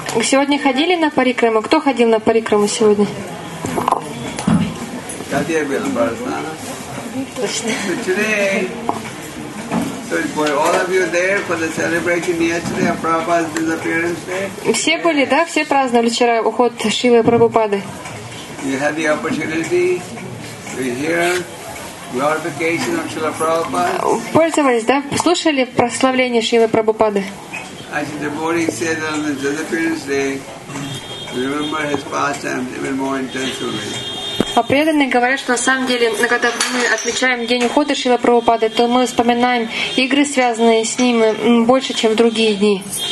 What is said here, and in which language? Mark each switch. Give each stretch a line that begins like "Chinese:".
Russian: Вы сегодня ходили на парикраму? Кто ходил на парикраму сегодня? Katia Bela Barasana.
English: So today, so were all of you there for the celebration yesterday of Prabhupada's disappearance day?
Russian: Все были, да? Все праздновали вчера уход Шилы Прабхупады.
English: You had the opportunity to hear glorification of Srila Prabhupada.
Russian: Пользовались, да? Слушали прославление Шилы Прабхупады.
English: As the devotee said on his disappearance day, remember his pastimes even more intensively.
Russian: А преданные говорят, что на самом деле, когда мы отмечаем день ухода Шрилы Прабхупады, то мы вспоминаем игры, связанные с ним, больше, чем в другие дни.